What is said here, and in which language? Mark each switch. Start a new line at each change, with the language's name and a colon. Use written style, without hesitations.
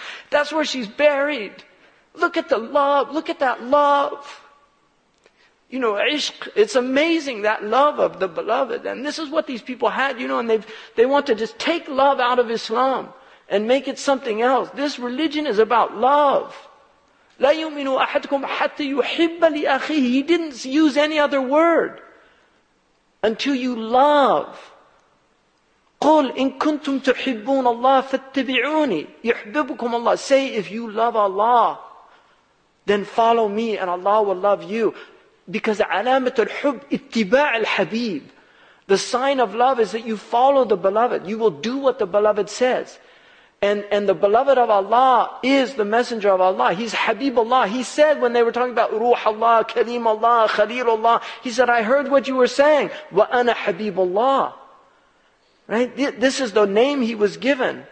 English: That's where she's buried. Look at the love. Look at that love. You know, ishq, it's amazing, that love of the beloved. And this is what these people had, you know, and they want to just take love out of Islam and make it something else. This religion is about love.
Arabic: لا يؤمن أحدكم حتى يحب لأخيه.
English: He didn't use any other word. Until you love.
Arabic: قل إن كنتم تحبون الله فاتبعوني يحببكم الله.
English: Say, if you love Allah, then follow me and Allah will love you. Because
Arabic: علامة الحب اتباع الحبيب.
English: The sign of love is that you follow the beloved. You will do what the beloved says. And the beloved of Allah is the messenger of Allah. He's Habib Allah. He said when they were talking about Ruh Allah, Kaleem Allah, Khalil Allah, he said, I heard what you were saying.
Arabic: Wa ana Habib Allah.
English: Right? This is the name he was given.